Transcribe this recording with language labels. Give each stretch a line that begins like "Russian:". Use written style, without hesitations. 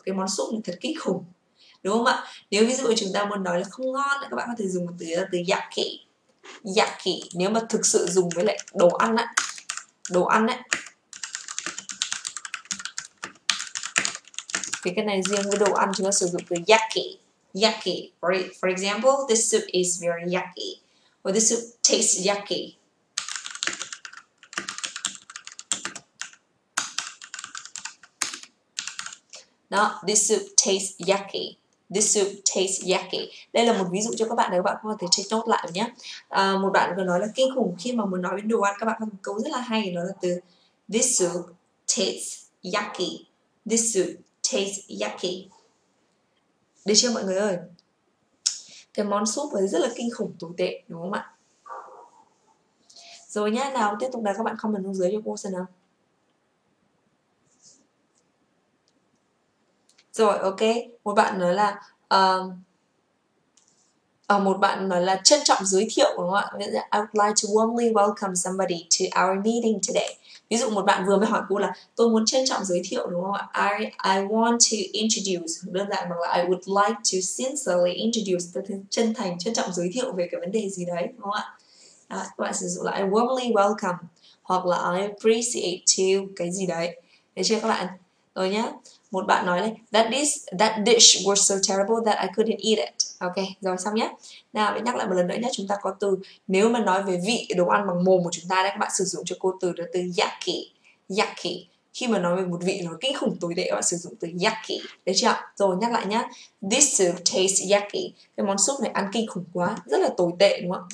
Vietnamese: Cái món súp này thật kinh khủng, đúng không ạ? Nếu ví dụ chúng ta muốn nói là không ngon, các bạn có thể dùng một từ là từ yucky. Yucky, nếu mà thực sự dùng với lại đồ ăn á, đồ ăn á, thì cái này riêng với đồ ăn chúng ta sử dụng từ yucky.
English: Yucky, for example, this soup is very yucky. Or this soup tastes yucky. Now, this soup tastes yucky. This soup tastes yucky.
Vietnamese: Đây là một ví dụ cho các bạn để các bạn có thể take note lại nhé. Một bạn vừa nói là kinh khủng, khi mà muốn nói đến đồ ăn các bạn có một câu rất là hay, đó là từ
English: this soup tastes yucky. This soup tastes yucky.
Vietnamese: Được chưa mọi người ơi? cái món soup ấy rất là kinh khủng tồi tệ đúng không ạ? Rồi nhá, nào tiếp tục là các bạn comment xuống dưới cho cô xem nào. Rồi ok, một bạn nói là một bạn nói là trân trọng giới thiệu đúng không ạ?
English: I would like to warmly welcome somebody to our meeting today.
Vietnamese: Ví dụ một bạn vừa mới hỏi cô là tôi muốn trân trọng giới thiệu đúng không ạ?
English: I want to introduce,
Vietnamese: đơn giản bằng là
English: I would like to sincerely introduce,
Vietnamese: tôi chân thành trân trọng giới thiệu về cái vấn đề gì đấy đúng không ạ? À, các bạn sử dụng là
English: I warmly welcome
Vietnamese: hoặc là
English: I appreciate to
Vietnamese: cái gì đấy. Được chưa các bạn? Rồi nhá. Một bạn nói này,
English: that dish was so terrible that I couldn't eat it.
Vietnamese: Ok, rồi xong nhé. Nào, để nhắc lại một lần nữa nhé, chúng ta có từ, nếu mà nói về vị đồ ăn bằng mồm của chúng ta đấy, các bạn sử dụng cho cô từ đó từ yucky. Yucky. Khi mà nói về một vị nó kinh khủng tồi tệ, các bạn sử dụng từ yucky. Đấy chưa? Rồi nhắc lại nhé.
English: This soup tastes yucky.
Vietnamese: Cái món soup này ăn kinh khủng quá, rất là tồi tệ đúng không ạ?